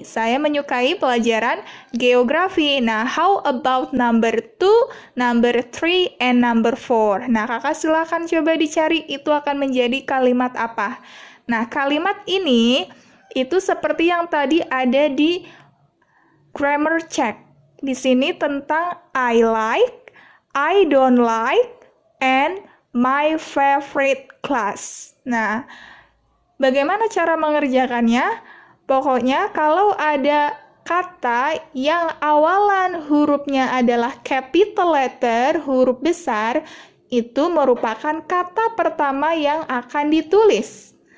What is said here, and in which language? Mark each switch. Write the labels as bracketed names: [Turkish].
[Indonesian] Saya menyukai pelajaran geografi. [English] Nah, how about number 2, number 3, and number 4? [Indonesian] Nah, kakak silakan coba dicari itu akan menjadi kalimat apa. Nah, kalimat ini itu seperti yang tadi ada di grammar check. Di sini tentang [English] I like, I don't like, and my favorite class. [Indonesian] Nah, bagaimana cara mengerjakannya? Pokoknya kalau ada kata yang awalan hurufnya adalah capital letter, huruf besar, itu merupakan kata pertama yang akan ditulis.